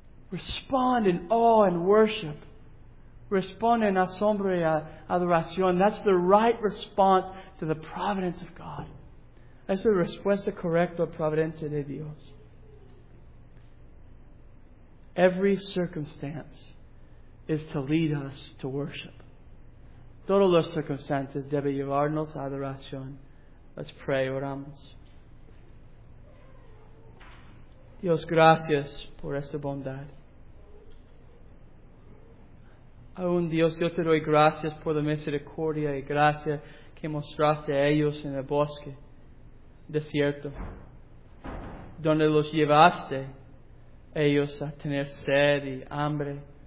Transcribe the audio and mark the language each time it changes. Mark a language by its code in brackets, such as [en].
[en] Respond in awe and worship. [es] Respond en asombro y adoración. [en] That's the right response to the providence of God. [es] Es la respuesta correcta a la providencia de Dios. [en] Every circumstance is to lead us to worship. [es] Todas las circunstancias deben llevarnos a adoración. [en] Let's pray, [es] oramos. Dios, gracias por esta bondad. Aún Dios, yo te doy gracias por la misericordia y gracia que mostraste a ellos en el bosque, desierto, donde los llevaste ellos a tener sed y hambre.